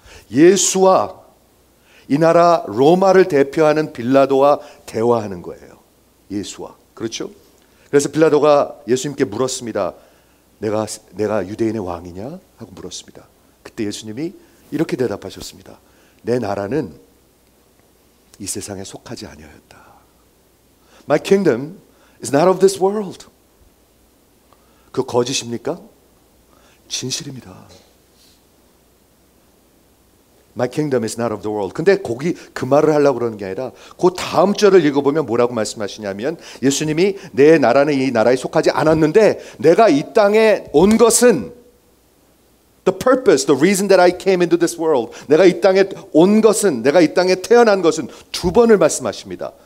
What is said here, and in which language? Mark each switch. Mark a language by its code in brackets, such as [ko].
[ko] 예수와 이 나라 로마를 대표하는 빌라도와 대화하는 거예요. 예수와. 그렇죠? 그래서 빌라도가 예수님께 물었습니다. 내가 유대인의 왕이냐? 하고 물었습니다. 그때 예수님이 이렇게 대답하셨습니다. 내 나라는 이 세상에 속하지 아니하였다. [en] My kingdom is not of this world. [ko] 그 거짓입니까? 진실입니다. [en] My kingdom is not of the world. [ko] 근데 거기 그 말을 하려고 그러는 게 아니라 그 다음 절을 읽어보면 뭐라고 말씀하시냐면 예수님이 내 나라는 이 나라에 속하지 않았는데 내가 이 땅에 온 것은 [en] the purpose, the reason that I came into this world. [ko] 내가 이 땅에 온 것은, 내가 이 땅에 태어난 것은 두 번을 말씀하십니다.